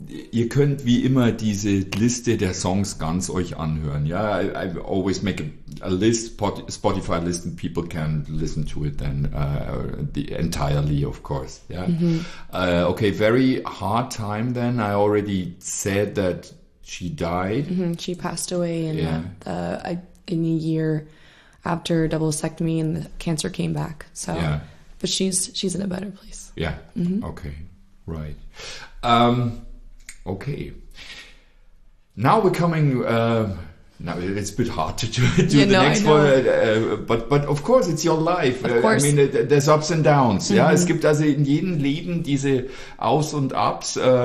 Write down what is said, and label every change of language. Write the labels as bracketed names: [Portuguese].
[German] Ihr könnt wie immer diese Liste der Songs ganz euch anhören. [English] Ja, I always make a list, Spotify list, and people can listen to it then entirely, of course. Yeah. Mm-hmm. Okay, very hard time then. I already said that she died. Mm-hmm. She passed away in a year after her double vasectomy and the cancer came back. So, yeah. But she's in a better place. Yeah. Mm-hmm. Okay. Right. Okay. Now we're coming. Now it's a bit hard to do the next one, but of course it's your life. Of course. I mean, there's ups and downs. [German] Mm-hmm. Ja, es gibt also in jedem Leben diese Aus und Ups.